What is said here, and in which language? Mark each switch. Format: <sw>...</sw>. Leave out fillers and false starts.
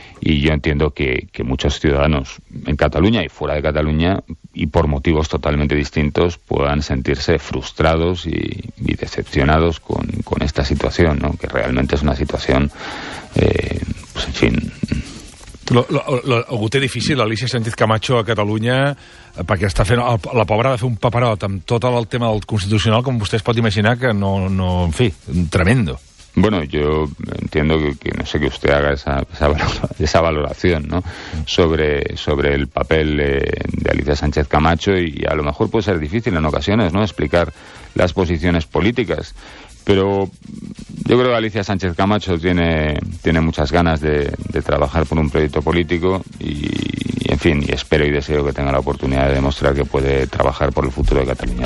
<es>Y yo entiendo que muchos ciudadanos en Cataluña y fuera de Cataluña, y por motivos totalmente distintos, puedan sentirse frustrados y decepcionados con esta situación, ¿no? Que realmente es una situación, pues en fin...</es> <ca>Ho té difícil, l'Alicia Sánchez Camacho a Catalunya, perquè està fent la pobra de fer un paperot amb tot el tema del constitucional, com vostè es pot imaginar que no, en fi, tremendo.</ca> <es>Bueno, yo entiendo que no sé que usted haga esa valoración, ¿no? Sobre el papel de Alicia Sánchez Camacho, y a lo mejor puede ser difícil en ocasiones, ¿no?, explicar las posiciones políticas. Pero yo creo que Alicia Sánchez Camacho tiene muchas ganas de trabajar por un proyecto político y, en fin, y espero y deseo que tenga la oportunidad de demostrar que puede trabajar por el futuro de Cataluña.</es>